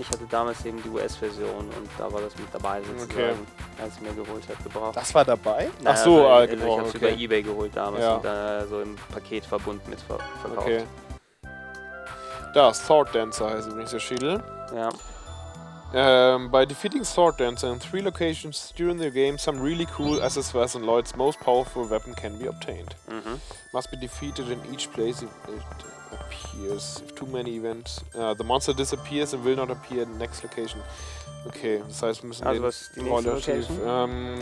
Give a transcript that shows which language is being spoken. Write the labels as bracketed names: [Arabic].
[German] Ich hatte damals eben die US-Version und da war das mit dabei, sozusagen, okay. Als ich mir geholt habe, gebraucht. Das war dabei? Naja, ach so, weil, genau. Also ich habe es über eBay geholt damals und dann so im Paketverbund mit verkauft. Okay. Da, Sword Dancer heißt übrigens der Schädel. Ja. [English] By defeating Sword Dancer in 3 locations during the game, some really cool accessories and Lloyd's most powerful weapon can be obtained. Must be defeated in each place if it appears. If too many events, the monster disappears and will not appear in the next location. [German] Okay, das heißt, wir müssen also den was ist die nächste Location?